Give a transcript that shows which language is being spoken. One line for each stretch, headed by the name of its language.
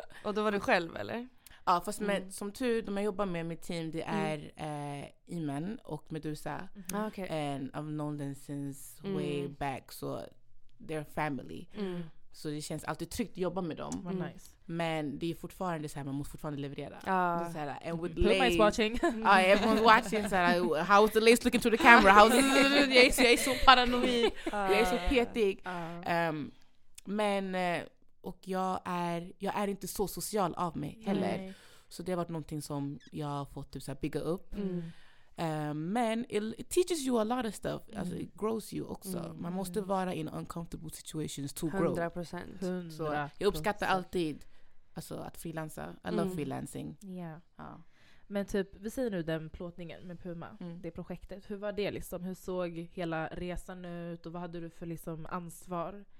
Swedish: och då var du själv eller? Ja, fast med, som tur, de jag jobbar med mitt team, det är Iman och Medusa.
English: And I've known them since way back, so they're family.
Swedish: Så det känns alltid tryggt att jobba med dem. Men det är fortfarande så här, man måste fortfarande leverera.
English: Puma is watching. Everyone's watching.
Swedish: Så här,
English: how is the lace looking through the camera?
Swedish: Jag är så paranoid. Jag är så petig. Men... och jag är inte så social av mig heller. Så det har varit någonting som jag har fått typ så här bygga upp.
English: Men it teaches you a lot of stuff.
Swedish: Alltså
English: it grows you
Swedish: också. Man måste vara
English: in uncomfortable situations to
Swedish: 100%.
English: Grow. 100%.
Swedish: Så jag uppskattar alltid alltså, att freelansa.
English: I love freelancing.
Swedish: Men typ, vi säger nu den plåtningen med Puma, det projektet. Hur var det liksom? Hur såg hela resan ut och vad hade du för liksom ansvar?